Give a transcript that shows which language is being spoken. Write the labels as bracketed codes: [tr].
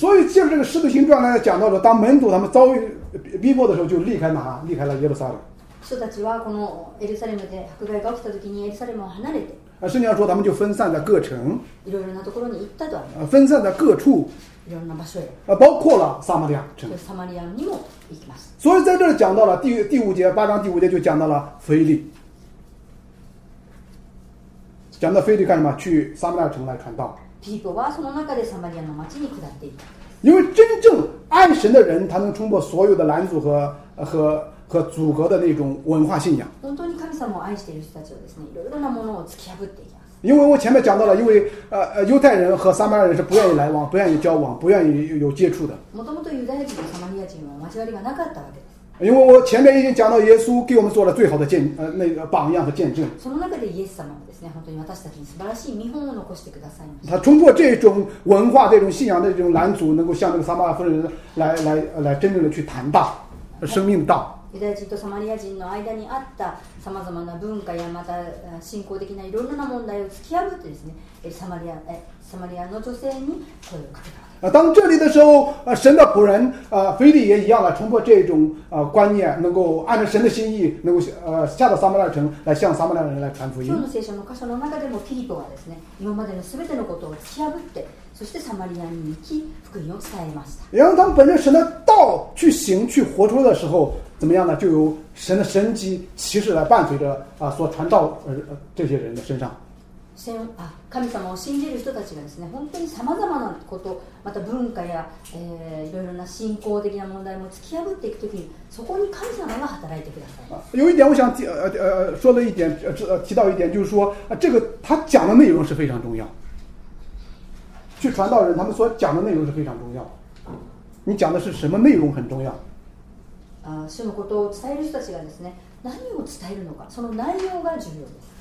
[zh] 所以借这个使徒行传来讲到说，当门徒他们遭遇逼迫的时候，就离开哪？离开了耶路撒冷。 [ja] 人たちはこのエルサレムで迫害が起きた時にエルサレムを離れて。 [zh] 圣经上说，他们就分散在各城。 [ja] いろいろなところに行ったと。 [zh] 分散在各处。 [ja] いろんな場所へ。 [zh] 包括了撒玛利亚城。 [ja] 撒玛利亚にも行きます。 [zh] 所以在这里讲到了第五节，八章第五节就讲到了腓力。讲到腓力干什么？去撒玛利亚城来传道。 [ja] ピーポはその中でサマリアの町に下っていた。 [zh] 因为真正爱神的人，他能冲破所有的拦阻和阻隔的那种文化信仰。 [ja] 本当に神様を愛している人たちをですね、いろいろなものを突き破っていきます。 [zh] 因为我前面讲到了，因为犹太人和撒玛利亚人是不愿意来往、不愿意交往、不愿意有接触的。 [ja] もともとユダヤ人とサマリア人は交わりがなかったわけです。 [zh] 因为我前面已经讲到耶稣给我们做了最好的见那个榜样和见证。 [ja] その中でイエス様ですね、本当に私たちに素晴らしい見本を残してくださいました。 [zh] 他冲破这种文化、这种信仰的这种拦阻，能够向那个撒玛利亚夫人来真正的去谈道、生命道。 [ja] ユダヤ人とサマリア人の間にあったさまざまな文化やまた信仰的ないろんな問題を突き破ってですね、サマリアの女性に声をかけた。 [zh] 当这里的时候，神的仆人腓力也一样的冲破这种观念，能够按照神的心意，能够下到撒玛利亚城来向撒玛利亚人来传福音。 [ja] 今日の聖書の箇所の中でもピリポはですね、今までのすべてのことを突き破って、そしてサマリアに行き福音を伝えました。 [zh] 然后当本着神的道去行去活出的时候，怎么样呢？就由神的神迹奇事来伴随着所传道这些人的身上。 [ja] 神様を信じる人たちがですね、本当にさまざまなこと、また文化や、いろいろな信仰的な問題も突き破っていくときに、そこに神様が働いてください。 [zh] 有一点我想说的一点，提到一点，就是说，这个他讲的内容是非常重要。去传道人，他们所讲的内容是非常重要。你讲的是什么内容很重要？ [ja] 主のことを伝える人たちがですね、何を伝えるのか、その内容が重要です。